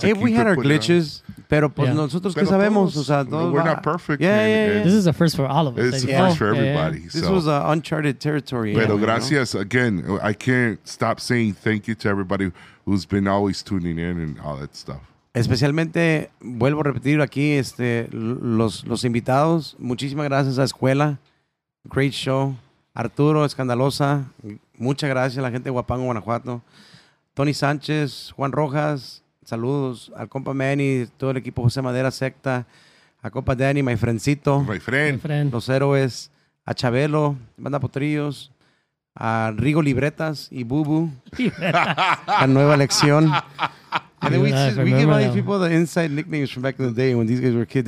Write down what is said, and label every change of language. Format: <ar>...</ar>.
<en>if we had our glitches,</en> <es>pero nosotros que sabemos, o sea, todos</es> <en>we're not perfect. This is a first for all of us. It's a first for everybody. Yeah, yeah. So. This was uncharted territory.</en> <es>Pero gracias,</es> <en>again, I can't stop saying thank you to everybody who's been always tuning in and all that stuff.</en> <es>Especialmente, vuelvo a repetir aquí, los invitados, muchísimas gracias a Escuela,</es> <en>great show.</en> <es>Arturo Escandalosa, muchas gracias a la gente de Huapango, Guanajuato. Tony Sánchez, Juan Rojas, saludos al compa Manny, todo el equipo José Madera, Secta, a compa Danny, my friendcito.</es> <en>My friend.</en> <es>Los Héroes, a Chabelo, Banda Potrillos, a Rigo Libretas y Bubu, a Nueva Lección.</es> <en>And then we give all these people the inside nicknames from back in the day when these guys were kids.</en>